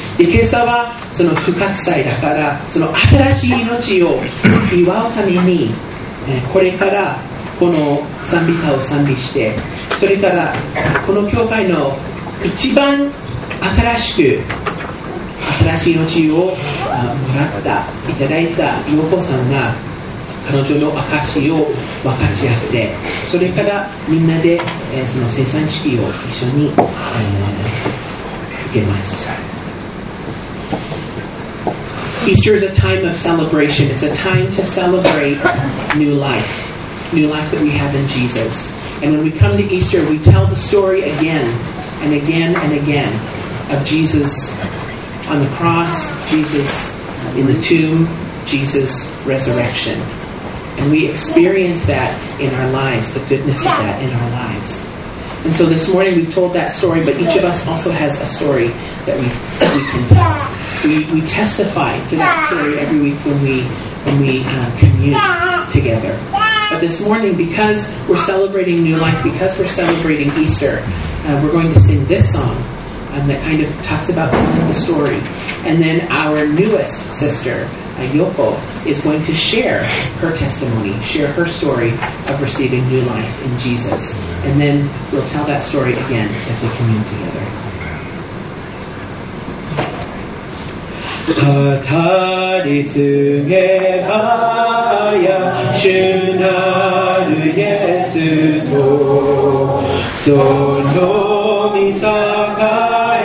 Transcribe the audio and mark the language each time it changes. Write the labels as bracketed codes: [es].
[ja] で、今朝はその復活祭だから、その新しい命を祝うためにこれからこの賛美歌を賛美して、それからこの教会の一番新しい命をもらった、いただいた陽子さんが彼女の証を分かち合って、それからみんなでその聖餐式を一緒に受けます。 [en] Easter is a time of celebration. It's a time to celebrate new life that we have in Jesus. And when we come to Easter, we tell the story again and again and again of Jesus on the cross, Jesus in the tomb, Jesus' resurrection. And we experience that in our lives, the goodness of that in our lives. And so this morning we've told that story, but each of us also has a story that we can tell. We testify to that story every week when we commune together. But this morning, because we're celebrating new life, because we're celebrating Easter, we're going to sing this song that kind of talks about telling the story. And then our newest sister, Yoko, is going to share her testimony, share her story of receiving new life in Jesus. And then we'll tell that story again as we commune together. [ja] 語り継げばや主なるイエスとその御栄え